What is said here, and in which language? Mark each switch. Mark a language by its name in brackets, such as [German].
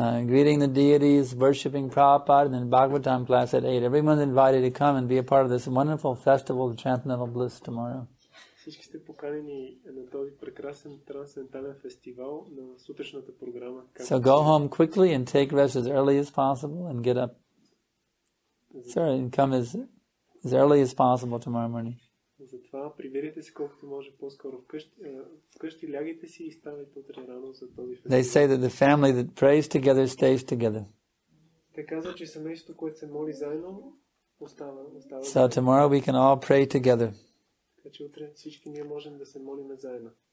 [English] Greeting the deities, worshipping Prabhupada, and then Bhagavatam class at 8. Everyone's invited to come and be a part of this wonderful festival of transcendental bliss tomorrow. [Bulgarian] Всички сте поканени на този прекрасен трансцендентален фестивал на сутрешната програма. [English] So go home quickly and take rest as early as possible and get up. Sorry, and come as early as possible tomorrow morning. [Bulgarian] Затова прибирайте се колкото може по-скоро вкъщи, лягайте си и ставайте утре рано за този фестивал. [English] They say that the family that prays together stays together. [Bulgarian] Те казват, че семейството, което се моли заедно, остава. [English] So tomorrow we can all pray together. [Bulgarian] Че утре всички ние можем да се молим заедно.